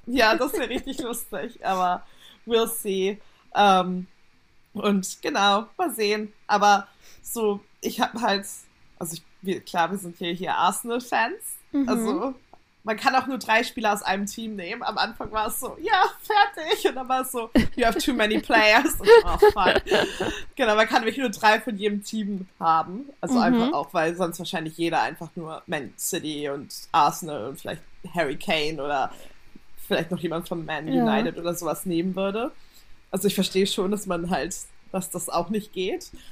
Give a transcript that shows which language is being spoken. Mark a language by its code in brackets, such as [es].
[de] Ja, das wäre richtig lustig, aber [en] we'll see. [de] Und genau, mal sehen. Aber so, ich habe halt, also klar, wir sind hier Arsenal-Fans. Also, man kann auch nur drei Spieler aus einem Team nehmen. Am Anfang war es so, ja, fertig. Und dann war es so, [en] you have too many players. [de] Und oh, fuck. Genau, man kann wirklich nur drei von jedem Team haben. Also einfach auch, weil sonst wahrscheinlich jeder einfach nur Man City und Arsenal und vielleicht Harry Kane oder vielleicht noch jemand von Man Ja. United oder sowas nehmen würde. Also ich verstehe schon, dass man halt, dass das auch nicht geht.